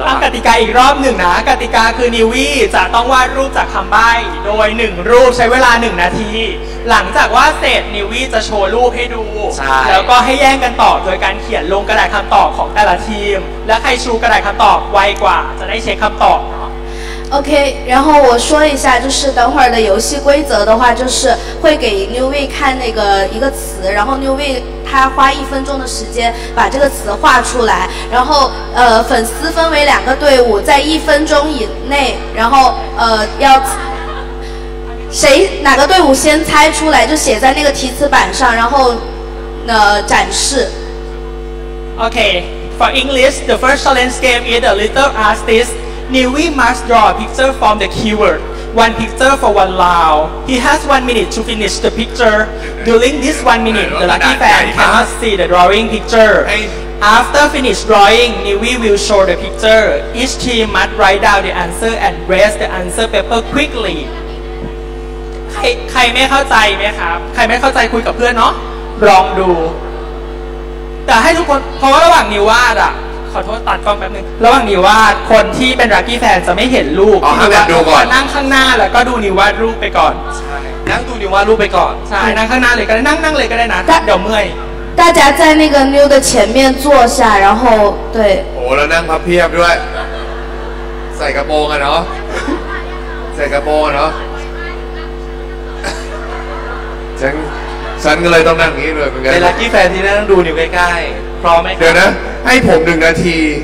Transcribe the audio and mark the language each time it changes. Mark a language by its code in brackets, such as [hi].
[th] นะกติกาอีกรอบหนึ่งนะกติกาคือนิววี่จะต้องวาดรูปจากคำใบ้โดย1รูปใช้เวลา1นาทีหลังจากวาดเสร็จนิววี่จะโชว์รูปให้ดูแล้วก็ให้แย่งกันตอบโดยการเขียนลงกระดาษคำตอบของแต่ละทีมและใครชูกระดาษคำตอบไวกว่าจะได้เช็คคำตอบ [zh] OK， 然后我说一下，就是等会儿的游戏规则的话，就是会给 New Way 看那个一个词，然后 New Way 他花一分钟的时间把这个词画出来，然后粉丝分为两个队伍，在一分钟以内，然后要谁哪个队伍先猜出来就写在那个题词板上，然后展示。 [en] OK， for English， the first challenge game is a little artist. Niwi must draw a picture from the keyword. One picture for one lao. He has 1 minute to finish the picture. During this 1 minute, the lucky fan cannot see the drawing picture. After finish drawing, Niwi will show the picture. Each team must write down the answer and raise the answer paper quickly. [th] ใครใครไม่เข้าใจไหมครับใครไม่เข้าใจคุยกับเพื่อนเนาะลองดูแต่ให้ทุกคนเพราะว่าระหว่างนิวาดอ่ะขอโทษตัดกล้องแป๊บนึงระหว่างนิวาดคนที่เป็นรักกี้แฟนจะไม่เห็นรูป นิวาดก่อน นั่งข้างหน้าแล้วก็ดูนิวาดรูปไปก่อน ใช่นั่งดูนิวาดรูปไปก่อน ใช่นั่งข้างหน้าเลยก็ได้นั่งเลยก็ได้นะเดี๋ยวเมื่อย [zh] 大家在那个妞的前面坐下，然后对。 [th] 哦，แล้วนั่งพับเพียบด้วยใส่กระโปรงอ่ะเนาะใส่กระโปรงอ่ะเนาะฉันฉันก็เลยต้องนั่งอย่างนี้เลยเหมือนกัน เป็นลักกี้แฟนที่นั่งดูอยู่ใกล้ๆพร้อมไหม เดี๋ยวนะให้ผม1นาที